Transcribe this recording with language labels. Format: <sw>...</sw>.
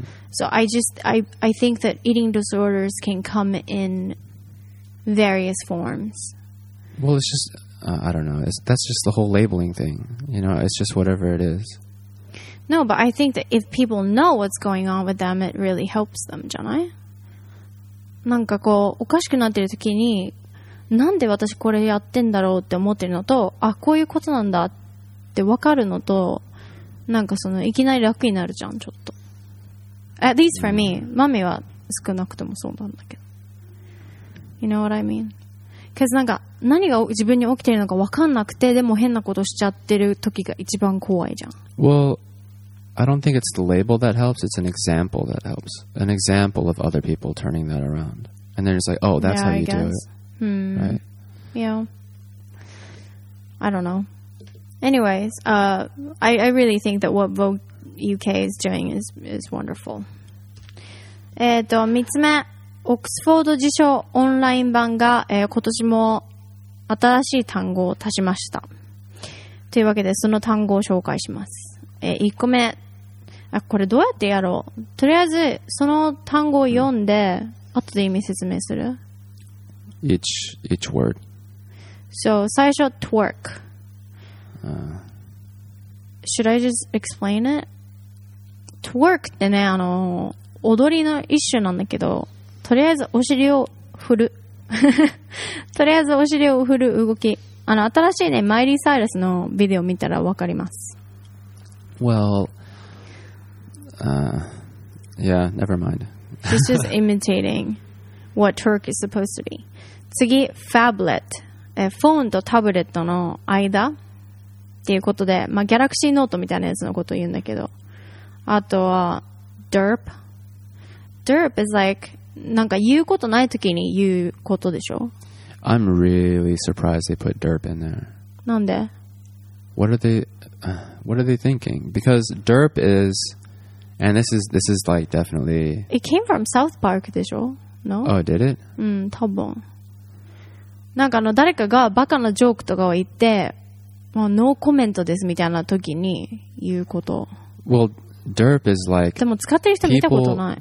<en>So I think that eating disorders can come in various forms. Well, it's just, I don't know. That's just the whole labeling thing. You know, it's just whatever it is. No, but I think that if people know what's going on with them, it really helps them,</en> <ja>じゃない? なんかこう、おかしくなってる時に、なんで私これやってんだろうって思ってるのと、あ、こういうことなんだってわかるのと、なんかその、いきなり楽になるじゃん、ちょっと。</ja> <en>At least for me,</en> <ja>マミは少なくともそうなんだけど。</ja> <en>You know what I mean?</en> <ja>Because なんか、何が自分に起きてるのかわかんなくて、でも変なことしちゃってる時が一番怖いじゃん。</ja> <en>Well... I don't think it's the label that helps. It's an example that helps. An example of other people turning that around. And then it's like, oh, that's yeah, how you do it. Right? Yeah. I don't know. Anyways, I really think that what Vogue UK is doing is wonderful.</en> <ja>3つ目、オックスフォード辞書オンライン版が、今年も新しい単語を足しました。というわけで、その単語を紹介します。1個目あこれどうやってやろうとりあえずその単語を読んで、うん、後で意味説明する</ja> <en>each word</en> <ja>so 最初 twerk</ja> <en>should I just explain it</en> <ja>twerk ってねあの踊りの一種なんだけどとりあえずお尻を振るとりあえずお尻を振る動きあの新しいねマイリーサイラスのビデオ見たらわかります</ja> <en>Well, yeah, never mind. She's just imitating what twerk is supposed to be.</en> <ja>次、phablet. フォンとタブレットの間っていうことで、まあ、ギャラクシーノートみたいなやつのことを言うんだけど。あとは、derp.</ja> <en>Derp is like,</en> <ja>なんか言うことない時に言うことでしょ?</ja> <en>I'm really surprised they put derp in there.</en> <ja>なんで?</ja> <en>What are they thinking? Because derp is, and this is like definitely. It came from South Park,</en> <ja>でしょ?</ja> <en>No. Oh, did it?</en> <ja>うん、多分。なんかあの誰かがバカなジョークとかを言って、もうノーコメントですみたいな時に言うこと。</ja> <en>Well, derp is like.</en> <ja>でも使ってる人見たことない。</ja>